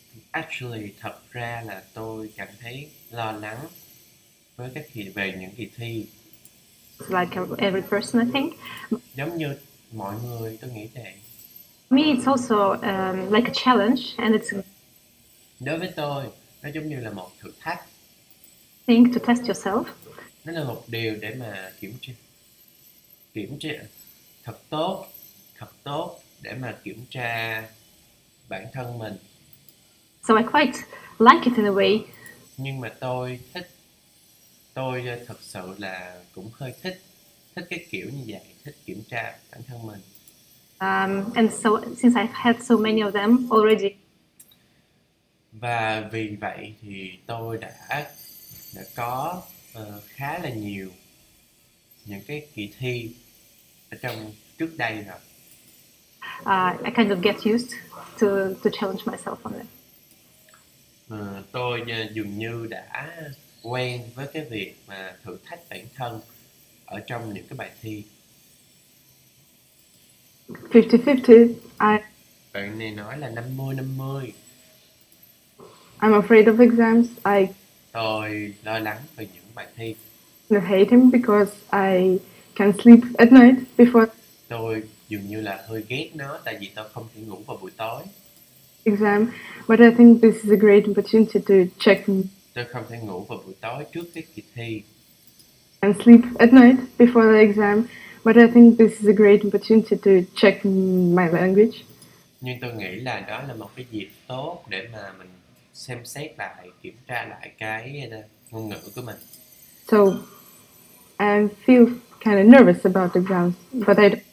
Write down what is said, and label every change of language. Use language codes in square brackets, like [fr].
[vi] Actually, thật ra là tôi cảm thấy lo lắng với các kỳ về những kỳ thi. [en] Like every person, I think. [vi] Giống như mọi người, tôi nghĩ thế. [en] Me, it's also like a challenge, and it's. [vi] Đối với tôi, nó giống như là một thử thách. [en] Think to test yourself. [vi] Nó là một điều để mà kiểm tra thật tốt để mà kiểm tra bản thân mình. [en] So I quite like it in a way. [vi] Nhưng mà tôi thích, tôi thật sự là cũng hơi thích cái kiểu như vậy, thích kiểm tra bản thân mình. [en] And so since I've had so many of them already. [vi] Và vì vậy thì tôi đã có khá là nhiều những cái kỳ thi ở trong trước đây rồi. [en] I kind of get used to challenge myself on it. [vi] Tôi dường như đã quen với cái việc mà thử thách bản thân ở trong những cái bài thi. [en] 50-50. [vi] Bạn này nói là 50-50. [en] I'm afraid of exams. [vi] Tôi lo lắng về những bài thi. [en] I hate them because I can't sleep at night before. [vi] Tôi dường như là hơi ghét nó tại vì tôi không thể ngủ vào buổi tối. [en] Exam, but I think this is a great opportunity to check. [vi] Tôi không thể ngủ vào buổi tối trước cái kỳ thi. [en] And sleep at night before the exam, but I think this is a great opportunity to check my language. [vi] Nhưng tôi nghĩ là đó là một cái dịp tốt để mà mình xem xét lại, kiểm tra lại cái ngôn ngữ của mình. [en] So, I feel kind of nervous about the exams, but I.